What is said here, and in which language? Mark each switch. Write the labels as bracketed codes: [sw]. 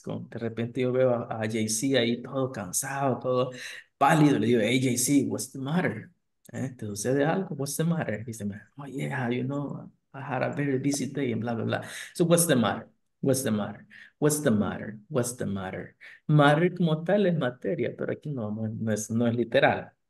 [es] Con, de repente yo veo a JC ahí todo cansado, todo pálido. Le digo, [en] hey JC, what's the matter? [es] ¿Te sucede algo? [en] What's the matter? [es] Y dice, [en] oh yeah, you know, I had a very busy day and blah, blah, blah. So what's the matter? What's the matter? What's the matter? What's the matter? [es] Matter como tal es materia, pero aquí no es literal.